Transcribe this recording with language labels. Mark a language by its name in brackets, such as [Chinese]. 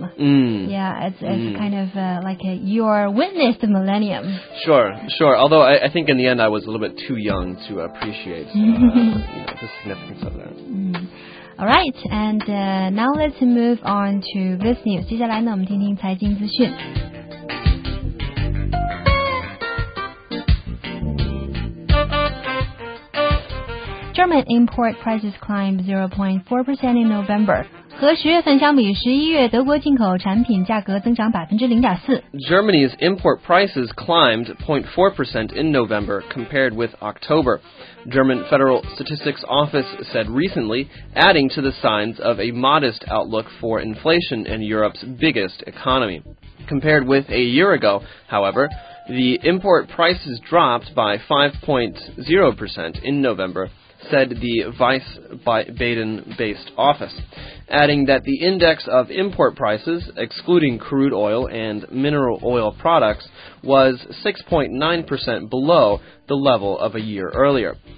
[English] Mm. Yeah, it's kind of like you're witness the millennium. Sure. Although I think in the end, I was a little bit too young to appreciate the significance of that. Mm. All right, and now let's move on to this news. [Chinese] 接下来呢，我们听听财经资讯。 [English] German import prices climbed 0.4% in November. [Chinese] 和10月份相比, 11月德国进口产品价格增长0.4%. [English] Germany's import prices climbed 0.4% in November compared with October. German Federal Statistics Office said recently, adding to the signs of a modest outlook for inflation in Europe's biggest economy. Compared with a year ago, however, the import prices dropped by 5.0% in November, said the Vice Baden-based office, adding that the index of import prices, excluding crude oil and mineral oil products, was 6.9% below the level of a year earlier.